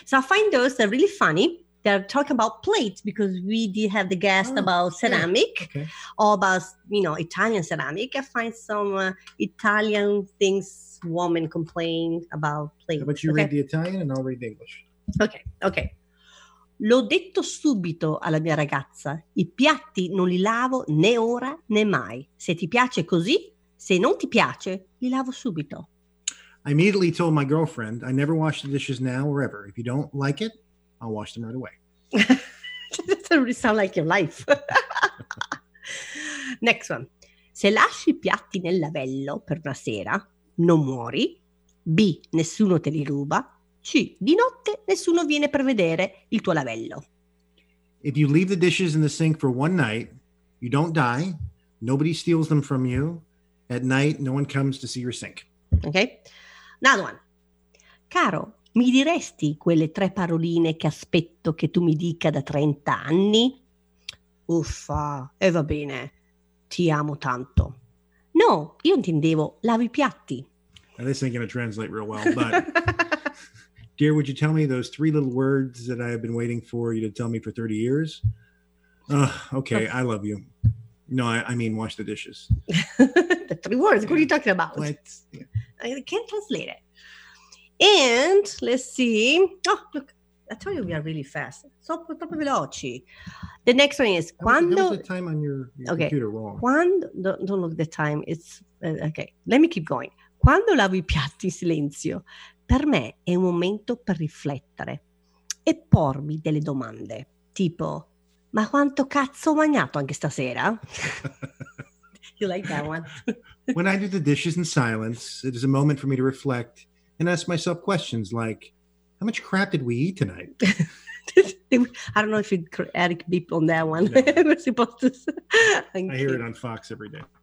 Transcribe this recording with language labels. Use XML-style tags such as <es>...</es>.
<en>So I find those are really funny. They're talking about plates because we did have the guest about ceramic, or about, you know, Italian ceramic. I find some Italian things women complain about plates. But you read the Italian and I'll read the English. Okay, okay.</en> <it>L'ho detto subito alla mia ragazza, i piatti non li lavo né ora né mai. Se ti piace così, se non ti piace, li lavo subito.</it> <en>I immediately told my girlfriend, I never wash the dishes now or ever. If you don't like it, I'll wash them right away. That doesn't really sound like your life. Next one.</en> <it>Se lasci i piatti nel lavello per una sera, non muori. B. Nessuno te li ruba. C. Di notte nessuno viene per vedere il tuo lavello.</it> <en>If you leave the dishes in the sink for one night, you don't die. Nobody steals them from you. At night, no one comes to see your sink. Okay. Another one.</en> <it>Caro, mi diresti quelle tre paroline che aspetto che tu mi dica da 30 anni? Uffa, e va bene. Ti amo tanto. No, io intendevo lavi i piatti.</it> <en>Now this ain't going to translate real well, but... Dear, would you tell me those three little words that I have been waiting for you to tell me for 30 years? Okay, I love you. No, I mean, wash the dishes. The three words, what are you talking about? What? Yeah. I can't translate it. And let's see. Oh, look, I told you we are really fast. So,</en> <it>troppo veloci.</it> <en>The next one is, quando... How was the time on your computer wrong? Quando... Don't look at the time. It's... okay, let me keep going.</en> <it>Quando lavo i piatti in silenzio... Per me è un momento per riflettere e pormi delle domande, tipo, ma quanto cazzo ho mangiato anche stasera?</it> <en>You like that one? When I do the dishes in silence, it is a moment for me to reflect and ask myself questions like, how much crap did we eat tonight? I don't know if you Eric beep on that one. No. I hear it on Fox every day.</en>